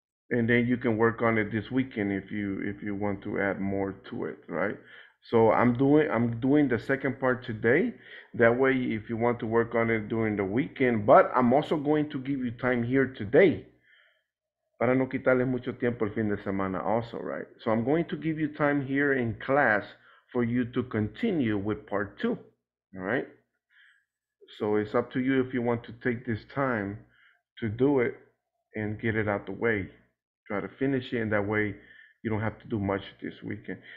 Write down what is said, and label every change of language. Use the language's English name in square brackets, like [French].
[English] And then you can work on it this weekend if you want to add more to it, right? So I'm doing the second part today. That way, if you want to work on it during the weekend, but I'm also going to give you time here today. [Spanish] Para no quitarles mucho tiempo el fin de semana [English] also, right? So I'm going to give you time here in class for you to continue with part two, all right? So it's up to you if you want to take this time to do it and get it out the way. Try to finish it, and that way you don't have to do much this weekend.